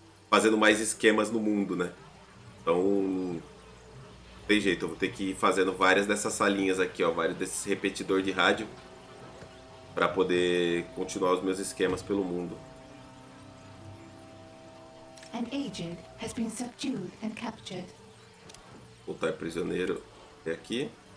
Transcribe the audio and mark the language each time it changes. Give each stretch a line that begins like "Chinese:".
Portuguese: fazendo mais esquemas no mundo, né? Então... tem jeito, eu vou ter que ir fazendo várias dessas salinhas aqui, ó. Vários desses repetidor de rádio. Para poder continuar os meus esquemas pelo mundo.
English: An agent has been subdued and captured.
Portuguese: Voltar prisioneiro é aqui.